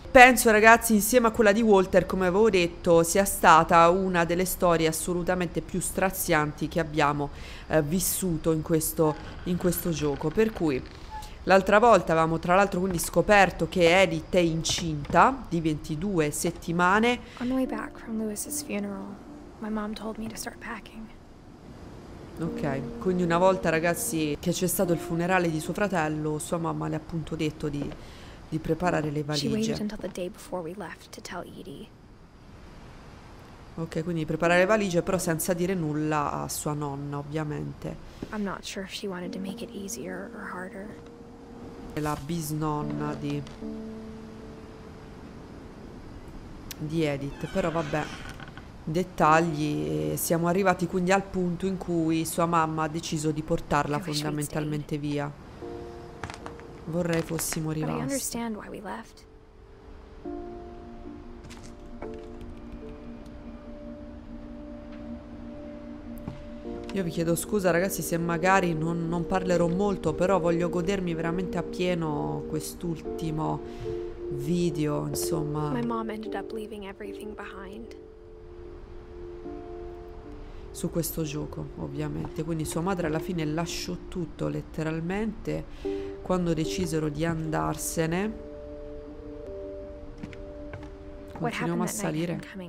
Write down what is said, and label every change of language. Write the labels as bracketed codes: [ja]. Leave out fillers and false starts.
[it] Penso, ragazzi, insieme a quella di Walter, come avevo detto, sia stata una delle storie assolutamente più strazianti che abbiamo vissuto in questo gioco. Per cui l'altra volta avevamo, tra l'altro, quindi scoperto che Edith è incinta di 22 settimane. [en] On the way back from Lewis's funeral, my mom told me to start packing. [it] Ok, quindi una volta, ragazzi, che c'è stato il funerale di suo fratello, sua mamma le ha appunto detto di preparare le valigie. [en] She waited until the day before we left to tell Edie. [it] Ok, quindi preparare le valigie, però senza dire nulla a sua nonna, ovviamente. [en] I'm not sure if she wanted to make it easier or harder. [it] La bisnonna di Edith. Però vabbè, dettagli. Siamo arrivati quindi al punto in cui sua mamma ha deciso di portarla fondamentalmente via. Vorrei fossimo rimasti. Io vi chiedo scusa, ragazzi, se magari non parlerò molto, però voglio godermi veramente appieno quest'ultimo video, insomma. [en] My mom ended up leaving everything behind. [it] Su questo gioco, ovviamente. Quindi sua madre alla fine lasciò tutto, letteralmente, quando decisero di andarsene. Continuiamo a salire.